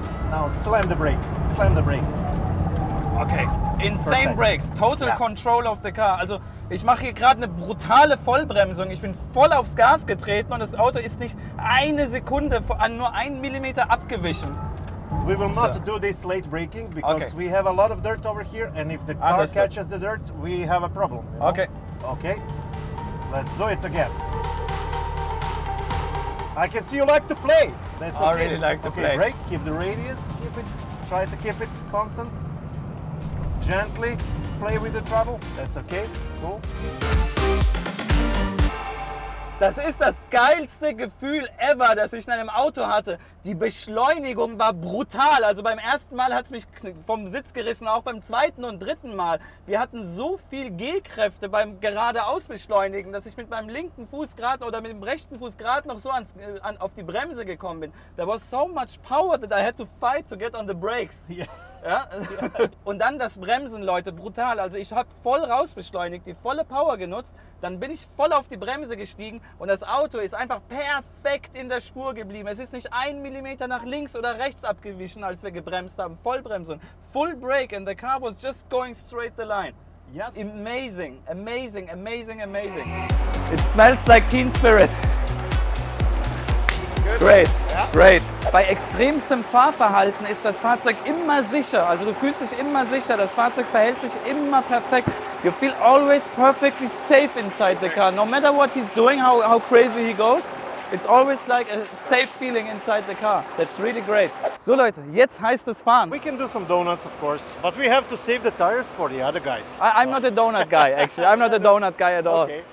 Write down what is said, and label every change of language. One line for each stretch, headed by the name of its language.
English: Now slam the brake. Okay, insane perfect. Brakes, total yeah. Control of the car.
German: Also, ich mache hier gerade eine brutale Vollbremsung. Ich bin voll aufs Gas getreten und das Auto ist nicht eine Sekunde an nur einen Millimeter abgewichen.
English: We will not do this late braking because okay. We have a lot of dirt over here and if the car understood. Catches the dirt, we have a problem. You know? Okay. Okay. Let's do it again. I can see you like to play. That's okay. I really like to okay, play. Okay, brake, keep the radius, keep it. Try to keep it constant. Gently. Play with the throttle. That's okay. Cool.
German: Das ist das geilste Gefühl ever, das ich in einem Auto hatte. Die Beschleunigung war brutal. Also beim ersten Mal hat es mich vom Sitz gerissen, auch beim zweiten und dritten Mal. Wir hatten so viel G-Kräfte beim geradeaus Beschleunigen, dass ich mit meinem linken Fuß gerade oder mit dem rechten Fuß gerade noch so auf die Bremse gekommen bin.
English: There was so much power that I had to fight to get on the brakes. Yeah.
German: Ja? Und dann das Bremsen, Leute, brutal. Also ich habe voll raus beschleunigt, die volle Power genutzt, dann bin ich voll auf die Bremse gestiegen und das Auto ist einfach perfekt in der Spur geblieben. Es ist nicht ein Millimeter nach links oder rechts abgewichen, als wir gebremst haben. Vollbremsung,
English: full brake and the car was just going straight the line. Yes. Amazing, amazing, amazing, amazing. It smells like Teen Spirit. Great, great.
German: Bei extremstem Fahrverhalten ist das Fahrzeug immer sicher. Also du fühlst dich immer sicher, das Fahrzeug verhält sich immer perfekt.
English: You feel always perfectly safe inside the car. No matter what he's doing, how crazy he goes, it's always like a safe feeling inside the car. That's really great.
German: So Leute, jetzt heißt es fahren.
English: We can do some donuts, of course, but we have to save the tires for the other guys. I'm not a donut guy, actually. I'm not a donut guy at all.